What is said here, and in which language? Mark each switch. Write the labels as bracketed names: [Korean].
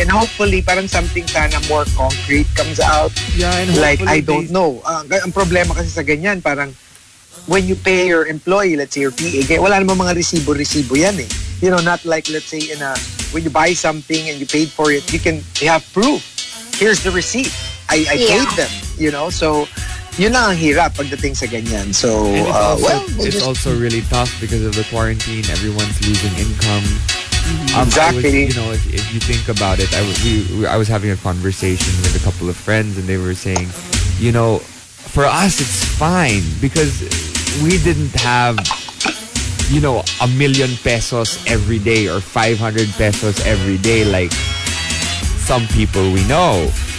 [English] And hopefully, parang something sana more concrete comes out. Yeah, and like, I don't know. [Filipino] Ang problema kasi sa ganyan, parang [English] when you pay your employee, let's say your PA, [Filipino] wala namang mga resibo-resibo yan eh. [English] You know, not like, let's say, in a, when you buy something and you paid for it, you have proof. Here's the receipt. I paid them, you know? [Filipino] So, yun lang ang hirap pagdating sa ganyan. [English] So, it's also really tough because of the quarantine. Everyone's losing income. Exactly. If you think about it, I was having a conversation with a couple of friends and they were saying, you know, for us, it's fine because we didn't have, you know, 1,000,000 pesos every day or 500 pesos every day like some people we know.